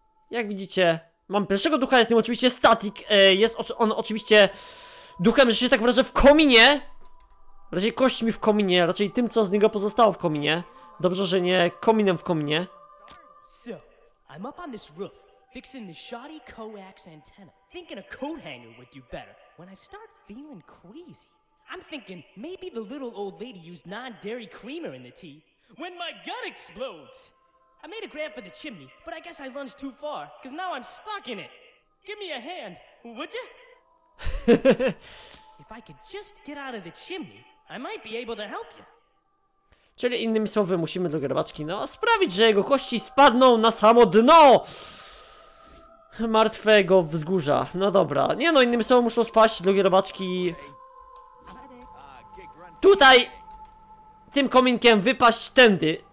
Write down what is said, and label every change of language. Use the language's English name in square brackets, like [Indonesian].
[Polish] Jak widzicie, mam pierwszego ducha, jest nim oczywiście static, jest on oczywiście duchem, że się tak wrażę, w kominie! Raczej kośćmi w kominie, raczej tym, co z niego pozostało w kominie. Dobrze, że nie kominem w kominie. [English] I'm up on this roof, fixing the shoddy coax antenna, thinking a coat hanger would do better. When I start feeling queasy, I'm thinking maybe the little old lady used non-dairy creamer in the tea. When my gut explodes, I made a grab for the chimney, but I guess I lunged too far, cause now I'm stuck in it. Give me a hand, would you? If I could just get out of the chimney, I might be able to help you. [Polish] Czyli innymi słowy, musimy do grabaczki, no, sprawić, że jego kości spadną na samo dno! Martwego wzgórza. No dobra. Nie no, innymi słowy, muszą spaść do grabaczki... Tutaj! Tym kominkiem wypaść tędy.